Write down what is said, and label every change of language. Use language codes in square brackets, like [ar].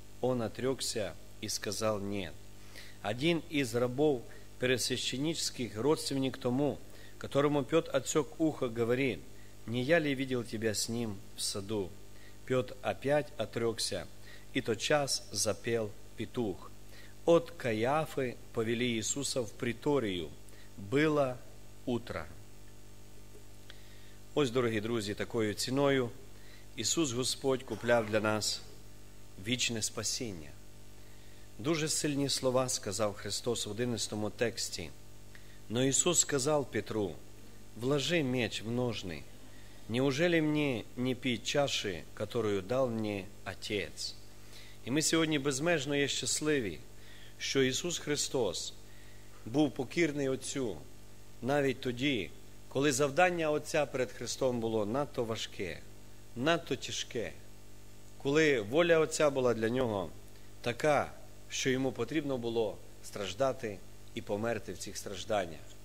[ru] Он отрекся и сказал: «Нет». Один из рабов первосвященнических, родственник тому, которому Петр отсек ухо, говорит: «Не я ли видел тебя с ним в саду?» Петр опять отрекся, и тотчас запел петух. От Каиафы повели Иисуса в приторию. Было утро. [uk] Ось, дорогі друзі, такою ціною Ісус Господь купляв для нас вічне спасіння. Дуже сильні слова сказав Христос в 11 тексті. Но Ісус сказав Петру: [ru] «Вложи меч в ножны. Неужели мне не пить чаши, которую дал мне Отец?» [uk] І ми сьогодні безмежно є щасливі, що Ісус Христос був покірний Отцю навіть тоді, коли завдання Отця перед Христом було надто важке, надто тяжке. коли воля Отця була для нього така, що йому потрібно було страждати і померти в цих стражданнях.